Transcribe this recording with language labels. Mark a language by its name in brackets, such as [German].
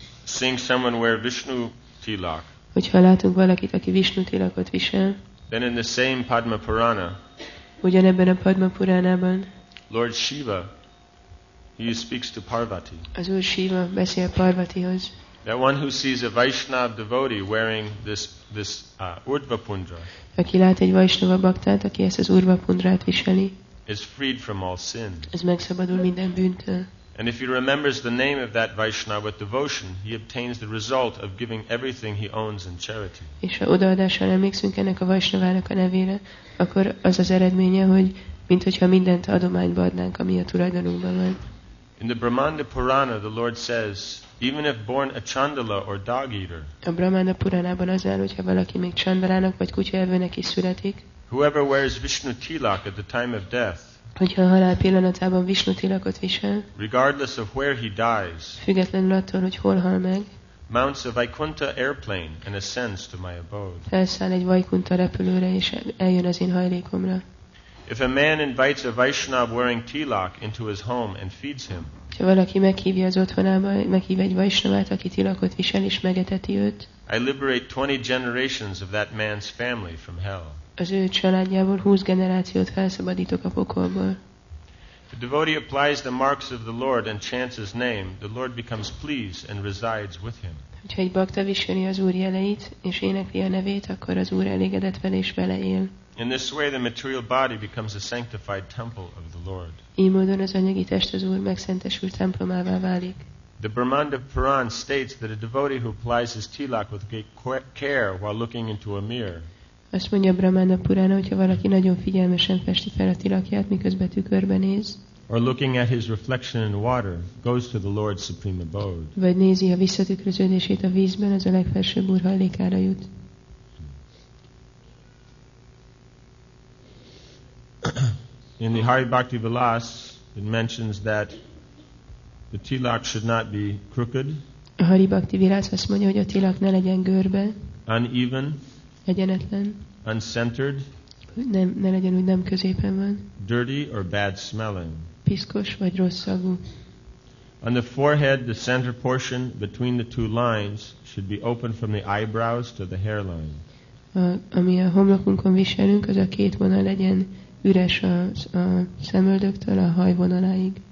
[English] seeing someone wear Vishnu tilak, [Hungarian] hogyha látunk valakit, aki Vishnu tilakot visel, [English] then in the same Padma Purana, [Hungarian] ugyanebben a Padma Puránában, [English] Lord Shiva, he speaks to Parvati. [Hungarian] Az Úr Shiva beszél Parvatihoz. [English] That one who sees a Vaishnav devotee wearing this Urdhva Pundra, [Hungarian] aki lát egy Vaishnava baktát, aki ezt az Urdhva Pundrát viseli, [English] is freed from all sin. [Hungarian] Ez megszabadul minden bűntől. [English] And if he remembers the name of that Vaishnava with devotion, he obtains the result of giving everything he owns in charity. [Hungarian] És ha odaadással emlékszünk ennek a Vaishnavának a nevére, akkor az az eredménye, hogy mintha mindent adományba adnánk, ami a tulajdonunkban van. [English] In the Brahmanda Purana, the Lord says, even if born a chandala or dog eater, [Hungarian] a Brahmanda Puránában az áll, hogyha valaki még csandalának vagy kutyaevőnek is születik, [English] whoever wears Vishnu tilak at the time of death, [Hungarian] hogyha a halál pillanatában Vishnu tilakot visel, [English] regardless of where he dies, [Hungarian] függetlenül attól, hogy hol hal meg, [English] mounts a Vaikuntha airplane and ascends to my abode. [Hungarian] Felszáll egy Vaikuntha repülőre és eljön az én hajlékomra. [English] If a man invites a Vaishnav wearing tilak into his home and feeds him, [Hungarian] ha valaki meghívja az otthonába, meghív egy Vaishnavát, aki tilakot visel és megeteti őt, [English] I liberate 20 generations of that man's family from hell. [Hungarian] Az ő családjából 20 generációt felszabadítok a pokolból. [English] The devotee applies the marks of the Lord and chants his name, the Lord becomes pleased and resides with him. [Hungarian] Hogyha egy bakta viseli az Úr jeleit és énekli a nevét, akkor az Úr elégedett vele és vele él. [English] In this way the material body becomes a sanctified temple of the Lord. [Hungarian] Így módon az anyagi test az Úr megszentesült templomává válik. [English] The Brahmanda Puran states that a devotee who applies his tilak with great care while looking into a mirror, [Hungarian] azt mondja a Brahmanda Purana, hogyha valaki nagyon figyelmesen festi fel a tilakját, miközben tükörbe néz, [English] or looking at his reflection in water, goes to the Lord's supreme abode. [Hungarian] Vagy nézi a visszatükröződését a vízben, az a legfelsőbb Úr hajlékára jut. [English] In the Hari Bhakti Vilas, it mentions that the tilak should not be crooked. [Hungarian] A Hari Bhakti Vilas azt mondja, hogy a tilak ne legyen görbe. [English] Uneven. [Hungarian] Egyenetlen. [English] Uncentered. [Hungarian] Ne legyen úgy, nem középen van. [English] Dirty or bad smelling. [Hungarian] Piszkos vagy rossz szagú. [English] On the forehead, the center portion between the two lines should be open from the eyebrows to the hairline. [Hungarian] Ami a homlokunkon viselünk, az a két vonal legyen üres a szemöldöktől a hajvonaláig.